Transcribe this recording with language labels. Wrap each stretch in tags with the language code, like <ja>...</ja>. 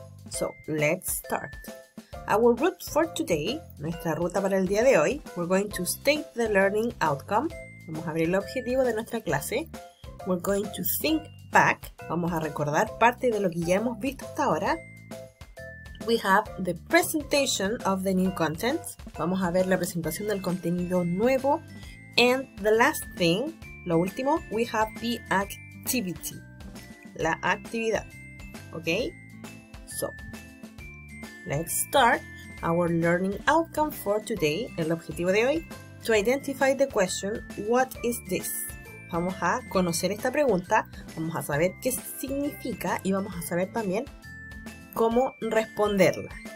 <en>So, let's start. Our route for today,</en> <es>nuestra ruta para el día de hoy,</es> <en>we're going to state the learning outcome.</en> <es>Vamos a abrir el objetivo de nuestra clase.</es> <en>We're going to think back.</en> <es>Vamos a recordar parte de lo que ya hemos visto hasta ahora.</es> <en>We have the presentation of the new content.</en> <es>Vamos a ver la presentación del contenido nuevo.</es> <en>And the last thing,</en> <es>lo último,</es> <en>we have the activity.</en> <es>La actividad.</es> <en>¿Ok? So, let's start our learning outcome for today.</en> <es>El objetivo de hoy,</es> <en>to identify the question, what is this?</en> <es>Vamos a conocer esta pregunta, vamos a saber qué significa y vamos a saber también cómo responderla.</es>